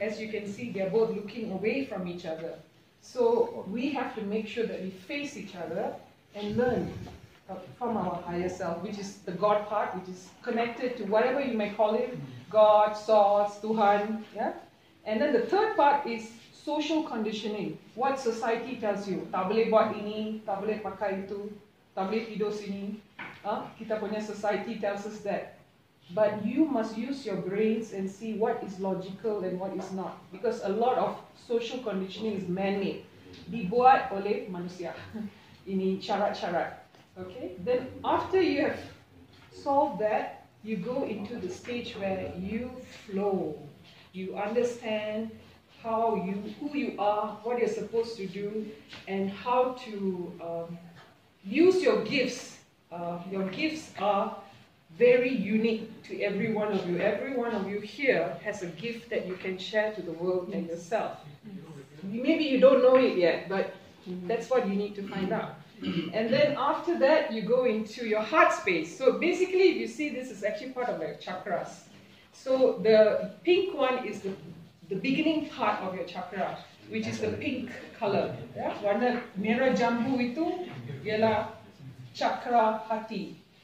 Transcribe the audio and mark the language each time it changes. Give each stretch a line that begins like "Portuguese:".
English: As you can see, they're both looking away from each other. So we have to make sure that we face each other and learn from our higher self, which is the God part, which is connected to whatever you may call it, God, Source, Tuhan. Yeah? And then the third part is social conditioning. What society tells you,
Malay: tak boleh buat ini, tak boleh pakai itu, tak boleh tidur sini. Kita punya
English: society tells us that. But you must use your brains and see what is logical and what is not. Because a lot of social conditioning is man-made.
Malay: Dibuat oleh manusia. Ini syarat-syarat.
English: Okay? Then after you have solved that, you go into the stage where you flow. You understand how you, who you are, what you're supposed to do, and how to use your gifts. Your gifts are very unique to every one of you. Every one of you here has a gift that you can share to the world and yourself. Maybe you don't know it yet, but that's what you need to find out. And then after that, you go into your heart space. So basically, you see this is actually part of your chakras. So the pink one is the beginning part of your chakra, which is the pink color. Yeah?
Malay: Warna merah jambu itu ialah chakra hati.